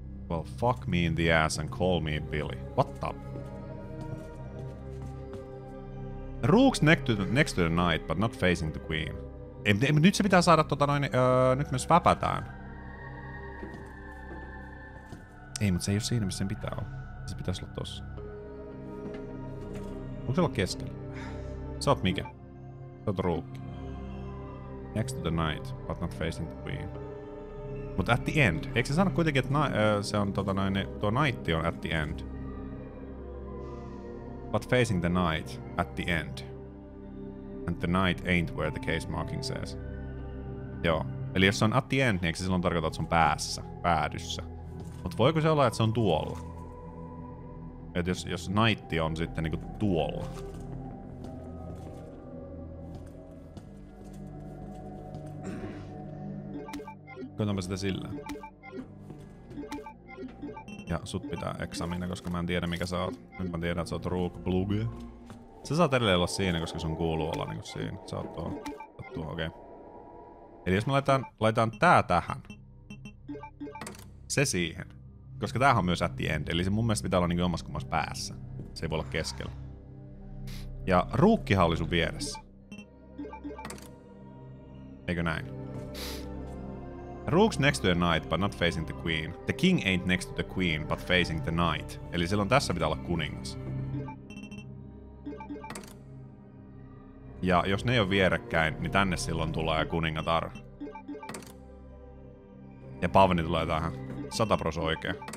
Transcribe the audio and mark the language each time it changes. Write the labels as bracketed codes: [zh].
[en] Well, fuck me in the ass and call me Billy. What the? Rooks next to the knight, but not facing the queen. [fi] Nyt se pitää saada tota noin... nyt myös väpätään. Ei, mutta se ei ole siinä, missä sen pitää olla. Se pitäisi olla tossa. Onko se olla keskellä? Sä oot mikä? Sä oot rook. [en] Next to the knight, but not facing the queen. But at the end. [fi] Eikö se sano kuitenkin, että se on tota noin, tuo knight on [en] at the end. But facing the knight at the end. And the knight ain't where the case marking says. [fi] Joo. Eli jos se on [en] at the end, [fi] niin eikö se silloin tarkoita, että se on päässä, päädyssä. Mut voiko se olla, että se on tuolla? Et jos knight on sitten niinku tuolla. Koitanpa sitä sillä. Ja sut pitää examina, koska mä en tiedä mikä sä oot. Nyt mä tiedän, että sä oot Rook Blug. Sä saat edelleen olla siinä, koska sun kuuluu olla niinku siinä. Sä oot tuohon. Okei. Okay. Eli jos mä laitan tää tähän. Se siihen. Koska tämähän on myös [en] at the end, [fi] eli se mun mielestä pitää olla niinku omassa kummassa päässä. Se ei voi olla keskellä. Ja ruukkihan oli sun vieressä. Eikö näin? [en] Rooks next to the knight, but not facing the queen. The king ain't next to the queen, but facing the knight. [fi] Eli silloin tässä pitää olla kuningas. Ja jos ne ei ole vierekkäin, niin tänne silloin tulee kuningatar. Ja Pavni tulee tähän. 100% oikein.